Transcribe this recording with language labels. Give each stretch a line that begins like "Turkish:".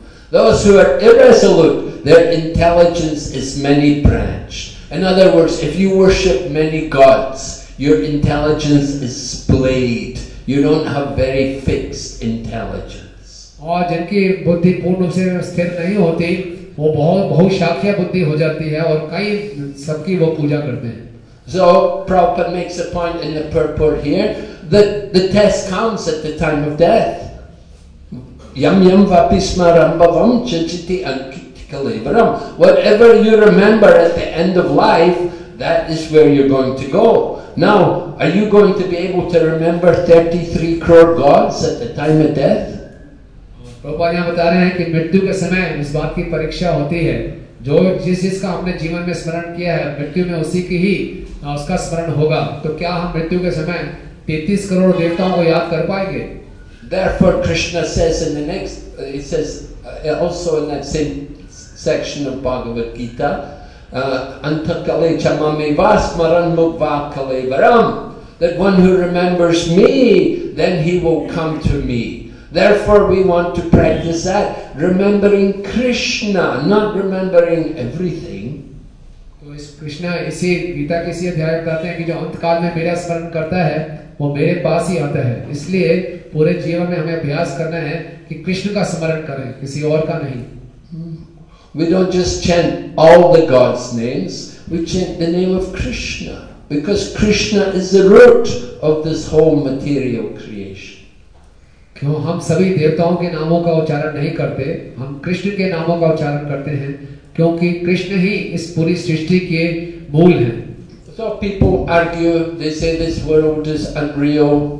English: Those who are irresolute, their intelligence is many branched. In other words, if you worship many gods, your intelligence is splayed. You don't have very fixed intelligence.
Hindi: और जिनकी बुद्धि पूर्ण रूप से स्थिर नहीं होती, वो बहुत बहुशाखीय बुद्धि हो जाती है और कई सबकी वो पूजा करते हैं.
English: So Prabhupada makes a point in the purport here. That the test comes at the time of death.
Sanskrit: Yam yam vapisma rambavam chachiti ankitikalevaram.
English: Whatever you remember at the end of life, that is where you're going to go. Now, are you going to be able to remember 33 crore gods at the time of death?
Hindi: Prabhupada यहाँ बता रहे हैं कि मृत्यु के समय इस बात की परीक्षा होती है जो जिस जिसका हमने जीवन में स्मरण किया है मृत्यु में उसी की ही उसका स्मरण होगा. तो क्या हम मृत्यु के समय 33 करोड़ देवताओं को याद कर पाएंगे?
English: Therefore Krishna says in the next, he says also in that same section of Bhagavad Gita,
Sanskrit: antakale chamame vasmaran mukva kale varam,
English: that one who remembers me, then he will come to me. Therefore we want to practice that, remembering Krishna, not remembering everything.
Hindi: तो इस कृष्णा इसी गीता के इसी अध्याय कहते हैं कि जो अंतकाल में मेरा स्मरण करता है वो मेरे पास ही आता है. इसलिए पूरे जीवन में हमें अभ्यास करना है कि कृष्ण का स्मरण करें, किसी और का नहीं.
English: We don't just chant all the gods' names, we chant the name of Krishna, because Krishna is the root of this whole material creation.
Hindi: क्यों हम सभी देवताओं के नामों का उच्चारण नहीं करते, हम कृष्ण के नामों का उच्चारण करते हैं, क्योंकि कृष्ण ही इस पूरी सृष्टि के मूल हैं.
English: So people argue, they say this world is unreal.